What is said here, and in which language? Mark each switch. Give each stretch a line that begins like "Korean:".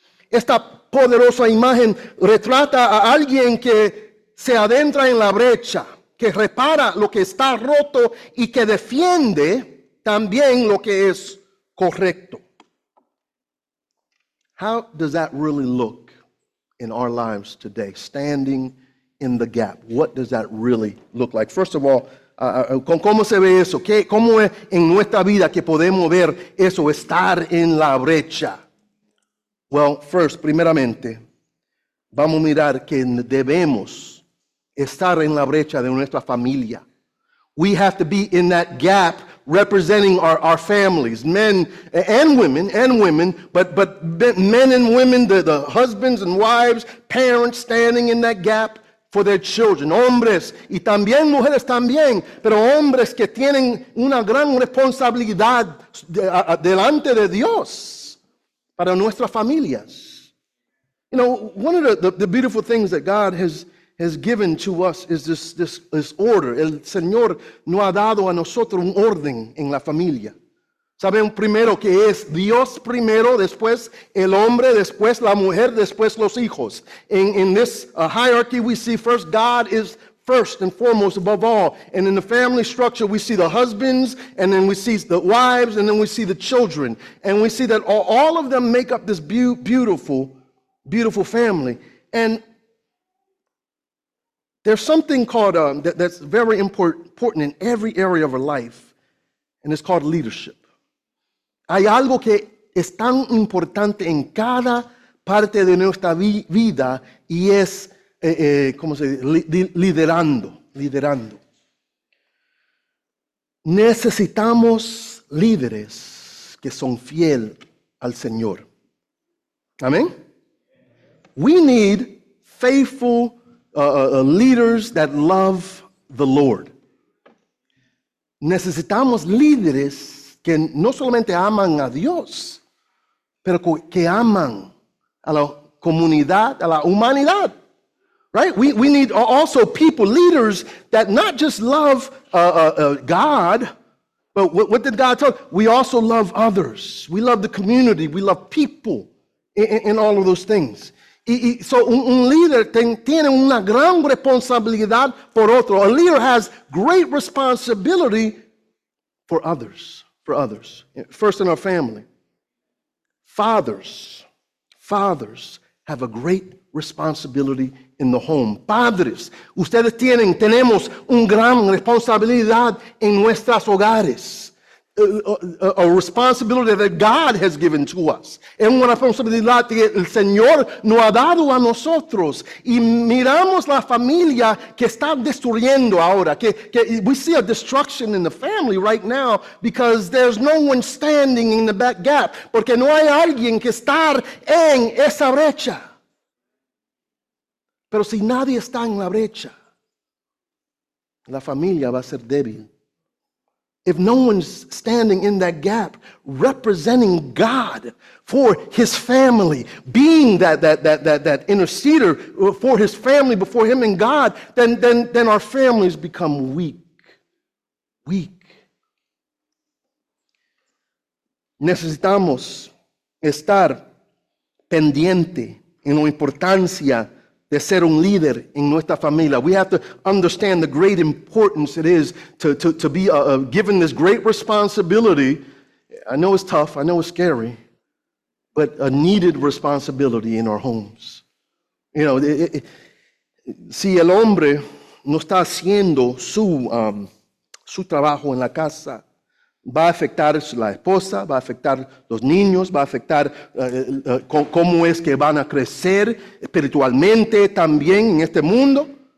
Spanish: Esta poderosa imagen retrata a alguien que se adentra en la brecha, que repara lo que está roto y que defiende también lo que es correcto.
English: How does that really look in our lives today, standing in the gap? What does that really look like? First of all,
Spanish: ¿cómo se ve eso? ¿Qué, cómo es en nuestra vida que podemos ver eso, estar en la brecha?
English: Well, first,
Spanish: primeramente, vamos a mirar que debemos estar en la brecha de nuestra familia.
English: We have to be in that gap representing our families, men and women, but men and women, the husbands and wives, parents standing in that gap for their children,
Spanish: hombres y también mujeres también, pero hombres que tienen una gran responsabilidad delante de Dios para nuestras familias.
English: You know, one of the beautiful things that God has given to us is this order.
Spanish: El Señor nos ha dado a nosotros un orden en la familia. Saben primero que es Dios primero, después el hombre, después la mujer, después los hijos.
English: In this hierarchy, we see first God is first and foremost above all. And in the family structure, we see the husbands, and then we see the wives, and then we see the children. And we see that all of them make up this beautiful, beautiful family. And there's something called that's very important in every area of our life, and it's called leadership.
Spanish: Hay algo que es tan importante en cada parte de nuestra vida y es, ¿cómo se dice? Liderando. Necesitamos líderes que son fiel al Señor. Amén.
English: We need faithful leaders that love the Lord.
Spanish: Necesitamos líderes que no solamente aman a Dios, pero que aman a la comunidad, a la humanidad,
English: right? We need also people, leaders that not just love God, but what did God tell? We also love others. We love the community. We love people in all of those things.
Spanish: So un líder tiene una gran responsabilidad por otro.
English: A leader has great responsibility for others. For others, first in our family, fathers have a great responsibility in the home.
Spanish: Padres, ustedes tenemos un gran responsabilidad en nuestras hogares.
English: A responsibility that God has given to us.
Spanish: Es una responsabilidad que el Señor nos ha dado a nosotros. Y miramos la familia que está destruyendo ahora.
English: Que we see a destruction in the family right now because there's no one standing in the back gap.
Spanish: Porque no hay alguien que está en esa brecha. Pero si nadie está en la brecha, la familia va a ser débil.
English: If no one's standing in that gap, representing God for his family, being that interceder for his family before him and God, then our families become weak. Weak.
Spanish: Necesitamos estar pendiente en la importancia de ser un líder en nuestra familia.
English: We have to understand the great importance it is to be given this great responsibility. I know it's tough, I know it's scary, but a needed responsibility in our homes. You know,
Spanish: si el hombre no está haciendo su trabajo en la casa, va a afectar la esposa, va a afectar los niños, va a afectar cómo es que van a crecer espiritualmente también en este mundo.